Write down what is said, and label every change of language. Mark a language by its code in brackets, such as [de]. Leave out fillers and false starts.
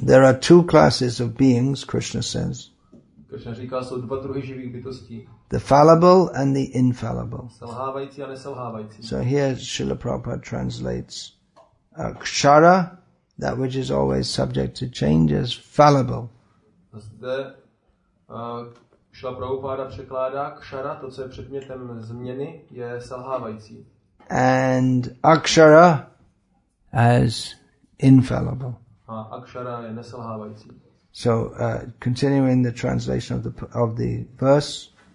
[en] There are two classes of beings, Krishna says. [cs] Krishna říká, jsou dva druhy živých bytostí. [en] The fallible and the infallible. [cs] Selhávající a neselhávající. [en] So here Srila Prabhupada translates kshara, that which is always subject to change, as fallible. [cs] Zde Srila Prabhupada překládá kshara, to co je předmětem změny, je selhávající. [en] And akshara as infallible. [cs] A akshara je neselhávající. [en] So continuing the translation of the verse.